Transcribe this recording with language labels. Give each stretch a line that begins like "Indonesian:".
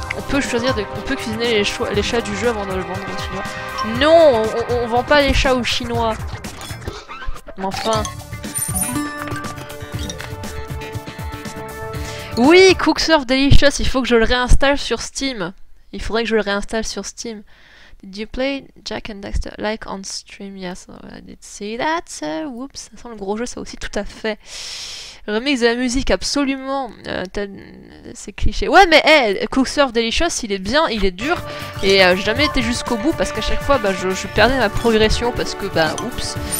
French: On peut cuisiner les chats du jeu avant de le vendre aux Chinois. Non, on vend pas les chats aux Chinois. Mais enfin. Oui, Cook Surf Delicious, il faut que je le réinstalle sur Steam. Il faudrait que je le réinstalle sur Steam.
English: Did you play Jack and Daxter? Like on stream, yes, I did see that.
French: Oups, ça sent le gros jeu, ça aussi, tout à fait. Remix de la musique, absolument. C'est cliché. Ouais, mais hey, Cook Surf Delicious, il est bien, il est dur. Et j'ai jamais été jusqu'au bout parce qu'à chaque fois, bah, je perdais ma progression parce que, bah, oups.